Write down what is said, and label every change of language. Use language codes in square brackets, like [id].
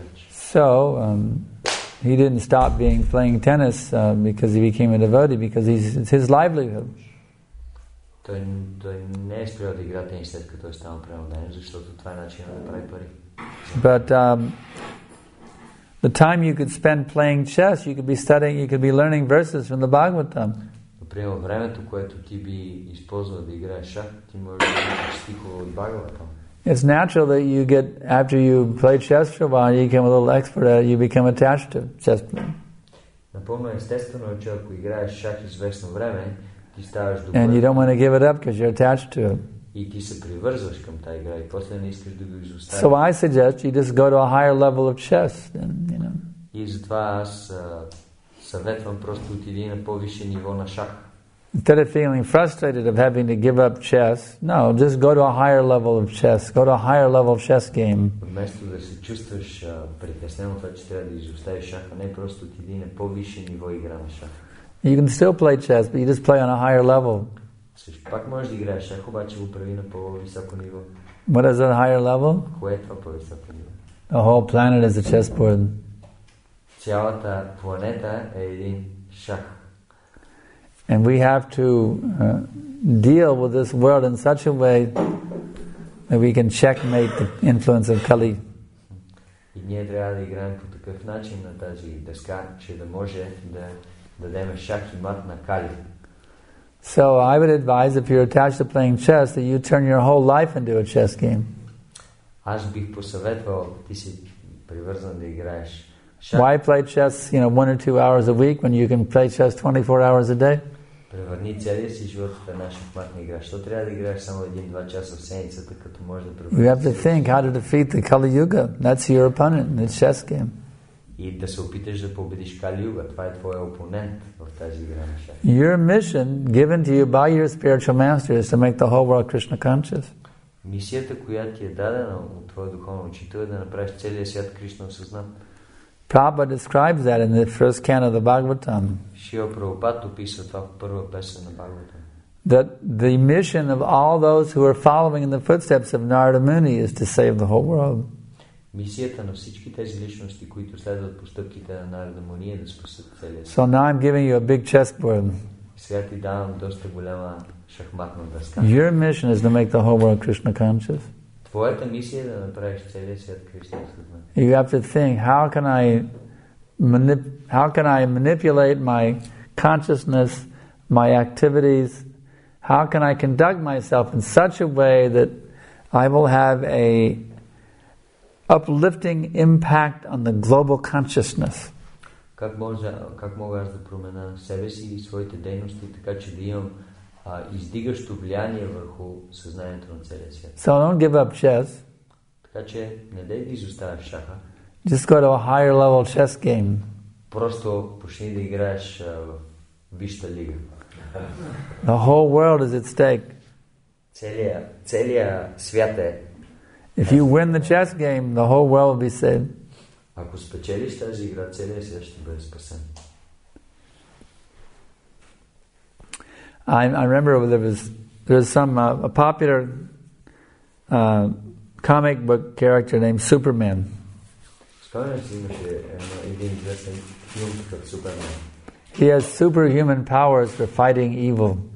[en] So, he didn't stop playing tennis because he became a devotee, because it's his livelihood. But the time you could spend playing chess, you could be studying, you could be learning verses from the Bhagavatam. [bg] Примерно времето, което ти би използвал да играеш шах, ти можеш да учиш стихове от Бхагаватам. [en] It's natural that you get, after you play chess for a while, you become a little expert at it, you become attached to chess playing. [bg] Напълно естествено, че ако играеш шах известно време, ти ставаш добър. [en] And you don't want to give it up because you're attached to it. [bg] И ти се привързваш към тази игра и после не искаш да го изоставиш. [en] So I suggest you just go to a higher level of chess, then, you know. [bg] И затова аз съветвам просто отиди на по-висше ниво на шах. [en] Instead of feeling frustrated of having to give up chess, no, just go to a higher level of chess. Go to a higher level of chess game. [bg] Вместо да се чувстваш притеснено това, че трябва да изоставиш шаха, не просто отиди на по-висше ниво игра на шах. [en] You can still play chess, but you just play on a higher level. [bg] Също пак можеш да играеш шах, обаче го прави на по-високо ниво. [en] What is that higher level? [bg] Кое е това по-високо ниво? [en] The whole planet is a chessboard. [bg] Цялата планета е един шах. [en] And we have to deal with this world in such a way that we can checkmate the influence of Kali. [bg] И ние трябва да играем по такъв начин на тази дъска, че да може да дадем шах и мат на Кали. [en] So I would advise, if you're attached to playing chess, that you turn your whole life into a chess game. [bg] Аз бих посъветвал, ти си привързан да играеш. [en] Why play chess, you know, 1 or 2 hours a week when you can play chess 24 hours a day? [bg] Превърни целия си живот в една шахматна игра. Що трябва да играеш само 1-2 часа в седмицата, като може да превърнеш? [en] You have to think how to defeat the Kali Yuga. That's your opponent in the chess game. [bg] И да се опиташ да победиш Kali Yuga. Това е твой опонент в тази игра на шах. [en] Your mission given to you by your spiritual master is to make the whole world Krishna conscious. [bg] Мисията, която ти е дадена от твоя духовен учител, е да направиш целия свят Кришна осъзнат. [en] Prabhupada describes that in the first canto of the Bhagavatam. [bg] Шрила Прабхупада описва това в първа песен на Бхагаватам. [en] That the mission of all those who are following in the footsteps of Narada Muni is to save the whole world. [bg] Мисията на всички тези личности, които следват постъпките на Нарада Муни, е да спасат целия свят. [en] So now I'm giving you a big chessboard. [bg] Сега ти давам доста голяма шахматна дъска. [en] Your mission is to make the whole world Krishna conscious. [bg] Твоята мисия е да направиш целия свят Кришна осъзнат. [en] You have to think, how can I manipulate my consciousness, my activities, how can I conduct myself in such a way that I will have a uplifting impact on the global consciousness. [bg] Как мога аз да променя себе си и своите дейности, така че да имам издигащо влияние върху съзнанието на целия свят. [en] So don't give up chess. [bg] Така че не дей да изоставяш шаха. [en] Just go to a higher level chess game. [bg] Просто почни да играеш в висшата лига. [en] The whole world is at stake. [bg] Целия свят е. [en] If you win the chess game, the whole world will be saved. [bg] Ако спечелиш тази игра, целия свят ще бъде спасен. [en] I remember there was some a popular comic book character named Superman. He has superhuman powers for fighting evil.